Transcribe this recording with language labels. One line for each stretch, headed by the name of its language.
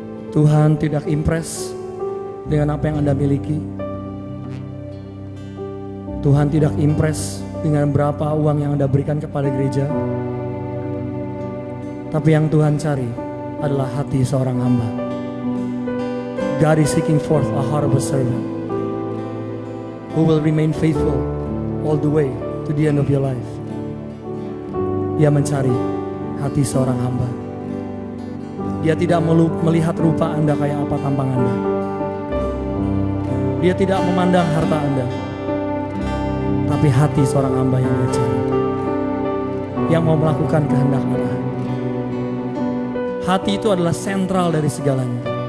Indonesian: Tuhan tidak impres dengan apa yang Anda miliki. Tuhan tidak impres dengan berapa uang yang Anda berikan kepada gereja. Tapi yang Tuhan cari adalah hati seorang hamba.
English: God is seeking forth a heart of a servant who will remain faithful all the way to the end of your life.
Indonesian: Dia mencari hati seorang hamba. Dia tidak melihat rupa Anda kayak apa tampang Anda. Dia tidak memandang harta Anda. Tapi hati seorang hamba yang dia cari. Yang mau melakukan kehendak Allah. Hati itu adalah sentral dari segalanya.